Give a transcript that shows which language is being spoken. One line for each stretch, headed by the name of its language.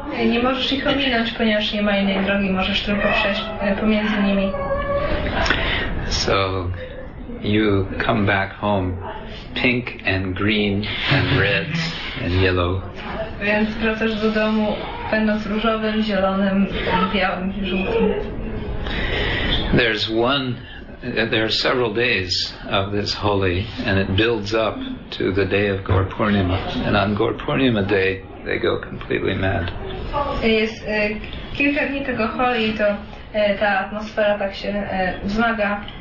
Polish: Nie możesz ich ominąć, ponieważ nie ma innej drogi. Możesz tylko przejść pomiędzy nimi.
English: So you come back home pink and green and red and yellow.
Polish: Więc wracasz do domu będąc różowym, zielonym, białym i żółtym.
English: There are several days of this holy and it builds up to the day of Gaur Purnima. And on Gaur Purnima day they go completely mad.
Polish: Jest kilka dni tego holi, to ta atmosfera tak się wzmaga.